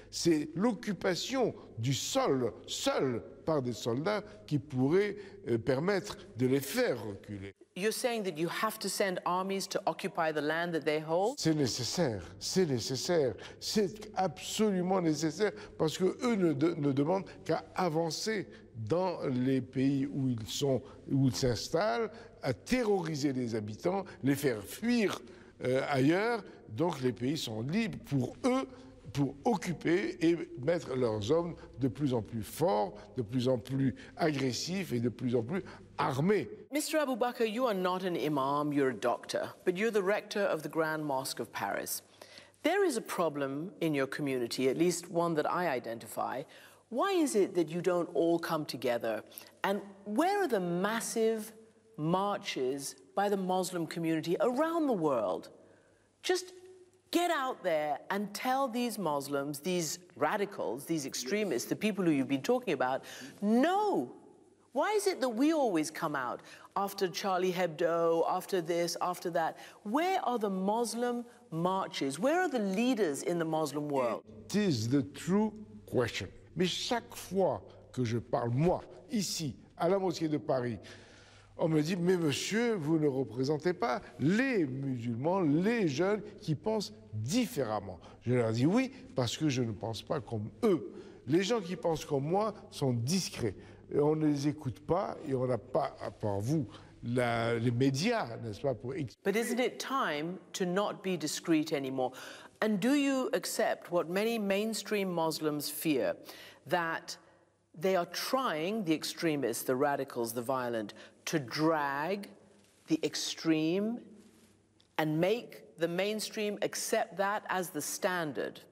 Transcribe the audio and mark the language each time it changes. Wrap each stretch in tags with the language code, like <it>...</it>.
<fr>C'est l'occupation du sol, seul, par des soldats qui pourraient permettre de les faire reculer.</fr> <en>You're saying that you have to send armies to occupy the land that they hold?</en> <fr>C'est nécessaire, c'est nécessaire. C'est absolument nécessaire parce que eux ne demandent qu'à avancer dans les pays où ils sont, où ils s'installent, à terroriser les habitants, les faire fuir ailleurs. Donc les pays sont libres pour eux, pour occuper et mettre leurs hommes de plus en plus forts, de plus en plus agressifs et de plus en plus armés.</fr> <en>Mr. Boubakeur, you are not an imam, you're a doctor, but you're the rector of the Grand Mosque of Paris. There is a problem in your community, at least one that I identify. Why is it that you don't all come together? And where are the massive marches by the Muslim community around the world? Just get out there and tell these Muslims, these radicals, these extremists, yes, the people who you've been talking about, no! Why is it that we always come out after Charlie Hebdo, after this, after that? Where are the Muslim marches? Where are the leaders in the Muslim world? It is the true question.</en> <fr>Mais chaque fois que je parle, moi, ici, à la mosquée de Paris, on me dit, mais monsieur, vous ne représentez pas les musulmans, les jeunes qui pensent différemment. Je leur dis oui, parce que je ne pense pas comme eux. Les gens qui pensent comme moi sont discrets. Et on ne les écoute pas et on n'a pas, à part vous, les médias, n'est-ce pas, pour expliquer.</fr> <en>But isn't it time to not be discreet anymore? And do you accept what many mainstream Muslims fear, that they are trying, the extremists, the radicals, the violent, to drag the extreme and make the mainstream accept that as the standard?</en>